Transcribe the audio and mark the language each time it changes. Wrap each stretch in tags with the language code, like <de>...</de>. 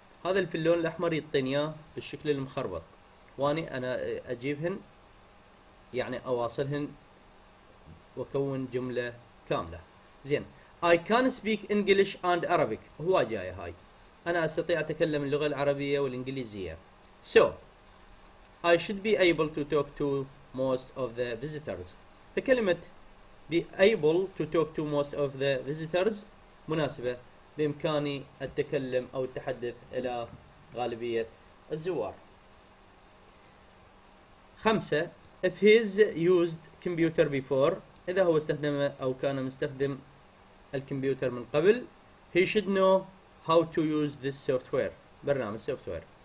<ar>هذا اللي في اللون الاحمر يطينياه بالشكل المخربط، واني انا اجيبهن يعني اواصلهن واكون جملة كاملة. زين،</ar> <en>I can speak English and Arabic.</en> <ar>هو جاي هاي، انا استطيع اتكلم اللغة العربية والانجليزية.</ar> <en>So I should be able to talk to most of the visitors.</en> <ar>فكلمة</ar> <en>be able to talk to most of the visitors</en> <ar>مناسبة، بإمكاني التكلم أو التحدث إلى غالبية الزوار. خمسة،</ar> <en>if he's used computer before،</en> <ar>إذا هو استخدم أو كان مستخدم الكمبيوتر من قبل،</ar> <en>he should know how to use this software،</en> <ar>برنامج</ar> <en>software.</en>